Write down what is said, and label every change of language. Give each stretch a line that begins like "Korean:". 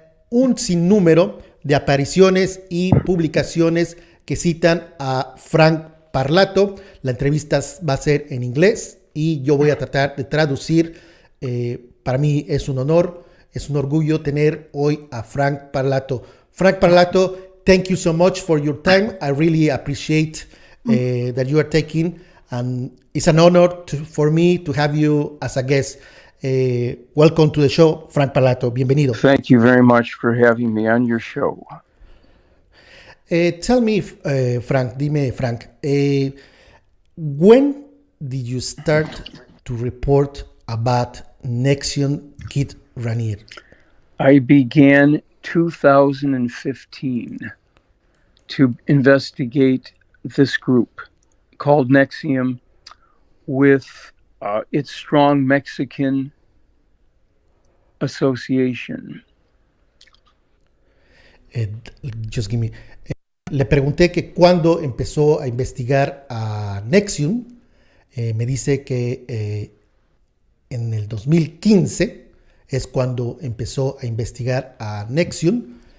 Spanish: Un sinnúmero de apariciones y publicaciones que citan a Frank Parlato. La entrevista va a ser en inglés y yo voy a tratar de traducir. Para mí es un honor, es un orgullo tener hoy a Frank Parlato.
English: Frank Parlato, thank you so much for your time. I really appreciate that you are taking, and it's an honor for me to have you as a guest. Welcome to the show, Frank Parlato.
Spanish: Bienvenido.
English: Thank you very much for having me on your show. Tell me, Frank,
Spanish: dime, Frank,
English: when did you start to report about Nexium Keith Raniere? I began 2015 to investigate this group called Nexium with its strong Mexican association. Just give me.
Spanish: Le pregunté que cuando empezó a investigar a Nexium, me dice que en el 2015 es cuando empezó a investigar a Nexium.